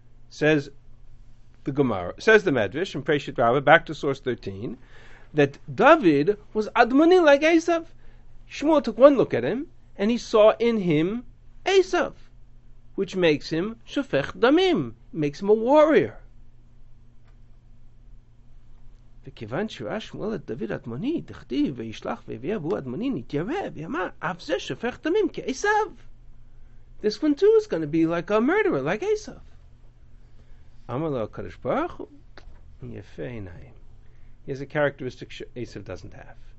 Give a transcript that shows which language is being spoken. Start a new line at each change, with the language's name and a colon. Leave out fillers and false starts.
English: Says the Gemara, says the Medrash in Preshit Rabbah, back to source 13, that David was Admoni like Esav. Shmuel took one look at him and he saw in him Esav, which makes him Shofech Damim, makes him a warrior.
Hebrew: וכיוון שראה שמואל את דוד אדמוני, דכתיב וישלח והביא עבור אדמוני, נתיירא, ואמר, אף זה שופך דמים כעשיו.
English: This one too is going to be like a murderer, like עשיו.
Hebrew: אמר לו הקדוש ברוך הוא, יפה עיניים.
English: He has a characteristic
Hebrew: שעשיו
English: doesn't have.